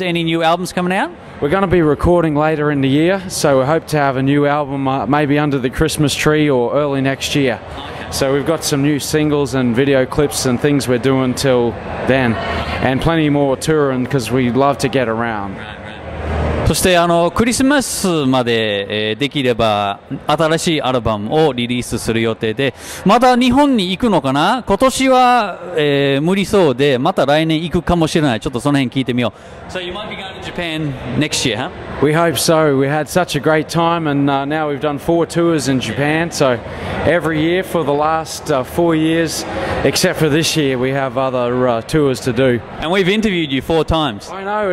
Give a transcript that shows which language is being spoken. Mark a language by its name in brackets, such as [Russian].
[English] Any new albums coming out? We're going to be recording later in the year. So we hope to have a new album maybe under the Christmas tree or early next year. So we've got some new singles and video clips and things we're doing till then. And plenty more touring because we love to get around. [Japanese] そしてクリスマスまで、できれば新しいアルバムをリリースする予定で、また日本に行くのかな？今年は、無理そうで、また来年行くかもしれない。ちょっとその辺聞いてみよう。 [English] So you might be going to Japan next year, huh? We hope so. We had such a great time and now we've done 4 tours in Japan. So every year for the last 4 years, except for this year, we have other tours to do. And we've interviewed you 4 times. I know.